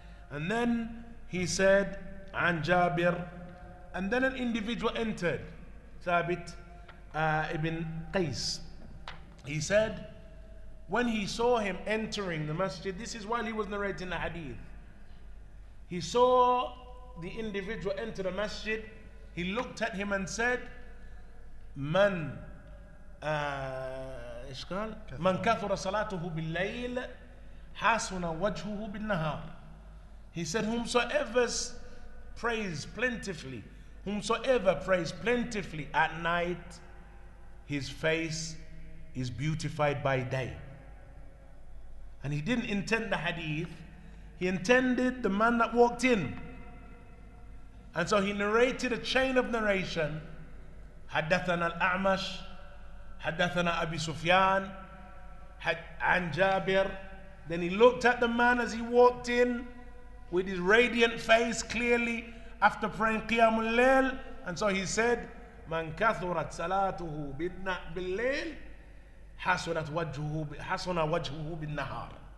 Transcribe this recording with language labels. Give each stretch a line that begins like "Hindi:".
English: And then he said, An Jabir. And then an individual entered, Thabit ibn Qais. He said, when he saw him entering the masjid, this is while he was narrating the hadith. He saw the individual enter the masjid. He looked at him and said,
Arabic: من كثر صلاته بالليل حسن وجهه بالنهار.
English: He said, whomsoever prays plentifully at night, his face is beautified by day. And he didn't intend the hadith, he intended the man that walked in. And so he narrated a chain of narration.
Arabic: حدثنا الأعمش حدثنا أبي سفيان عن جابر.
English: Then he looked at the man as he walked in with his radiant face clearly after praying قيام الليل, and so he said
Arabic: من كثرت صلاته بالليل حسن وجهه بالنهار.